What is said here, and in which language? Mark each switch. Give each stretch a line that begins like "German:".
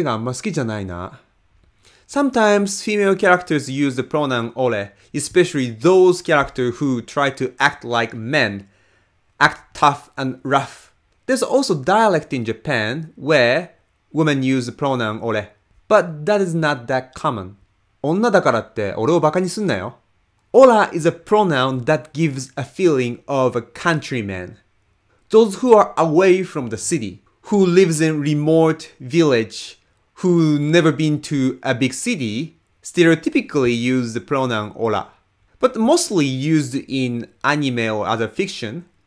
Japanese: 俺、明日仕事あるから今日は早く帰るわ。ごめんね。俺はこういう映画あんま好きじゃないな。
English: Sometimes female characters use the pronoun ore, especially those characters who try to act like men, act tough and rough. There's also dialect in Japan where women use the pronoun ore, but that is not that common.
Japanese: 女だからって俺をバカにすんなよ。
English: Ora is a pronoun that gives a feeling of a countryman. Those who are away from the city, who lives in remote village, who never been to a big city, stereotypically use the pronoun ora. But mostly used in anime or other fiction.